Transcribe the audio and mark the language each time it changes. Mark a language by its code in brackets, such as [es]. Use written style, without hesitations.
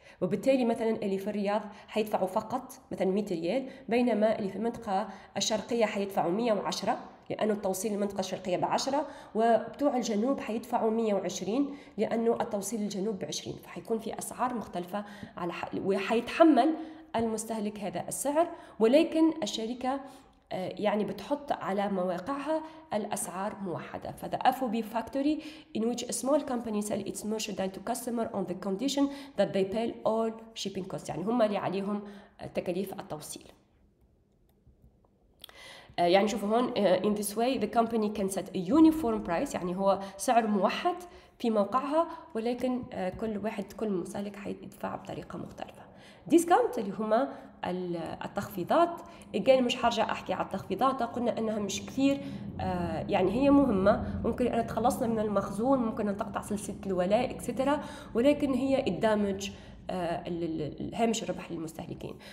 [ar] وبالتالي مثلاً اللي في الرياض حيدفعوا فقط مثلاً 100 ريال، بينما اللي في المنطقة الشرقية حيدفعوا 110، لأنه التوصيل للمنطقة الشرقية ب10، وبتوع الجنوب حيدفعوا 120 لأنه التوصيل للجنوب ب20، فحيكون في أسعار مختلفة على وحيتحمل المستهلك هذا السعر، ولكن الشركة يعني بتحط على مواقعها الأسعار موحدة. [en] فthe FOB factory in which a small company sell its merchandise to customer on the condition that they pay all shipping costs، [ar] يعني هم اللي عليهم تكاليف التوصيل. يعني شوفوا هون، [en] in this way the company can set a uniform price، [ar] يعني هو سعر موحد في موقعها، ولكن كل واحد كل مسالك حيدفع بطريقة مختلفة. discount اللي هما التخفيضات، again مش هرجع أحكي على التخفيضات، قلنا أنها مش كثير، يعني هي مهمة، ممكن أن تخلصنا من المخزون، ممكن أن تقطع سلسلة الولاء etc، ولكن هي الدامج الهامش الربح للمستهلكين.